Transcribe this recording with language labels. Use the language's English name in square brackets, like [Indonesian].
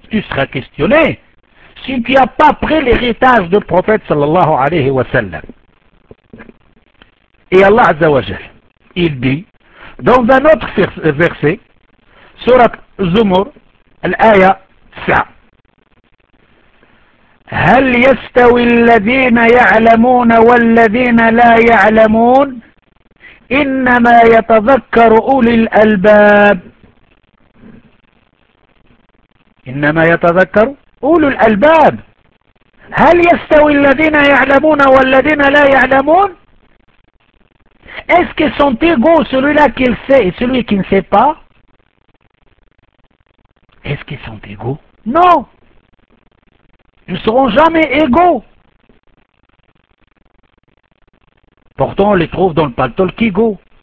[French] Tu seras questionné si tu n'as pas pris l'héritage du prophète [Arabic] sallallahu alayhi wa sallam. [French] Et Allah Azza wa Jal, il dit, dans un autre verset, surat Zumur, l'aya, ça. [Arabic] هل يستوي الذين يعلمون والذين لا يعلمون إنما يتذكر أولي الألباب. إنما يتذكر أولي الألباب. هل يستوي الذين يعلمون والذين لا يعلمون. [French] Est-ce qu'ils sont égaux, celui-là qui le sait et celui qui ne sait pas? Est-ce qu'ils sont égaux? Non! Ils ne seront jamais égaux! Pourtant, on les trouve dans le paletot qui égaux.